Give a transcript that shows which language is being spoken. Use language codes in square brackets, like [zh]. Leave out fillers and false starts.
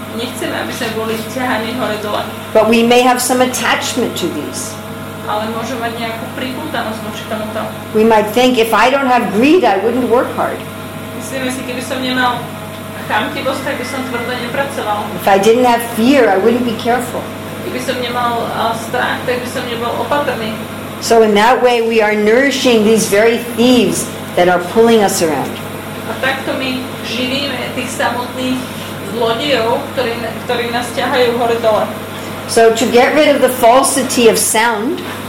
[sk] Nechceme, aby sme boli ťahaní hore dole. [en] But we may have some attachment to these. [sk] Ale môžeme mať nejakú pripútanosť voči tomuto. [en] We might think if I don't have greed, I wouldn't work hard. [sk] Myslíme si, keby som nemal chamtivosť, tak by som tvrdo nepracoval. [en] If I didn't have fear, I wouldn't be careful. [sk] Keby som nemal strach, tak by som nebol opatrný. [en] So in that way we are nourishing these very thieves that are pulling us around. [sk] A takto my živíme tých samotných zlodejov, ktorí nás ťahajú hore dole. [en] So to get rid of the falsity of sound,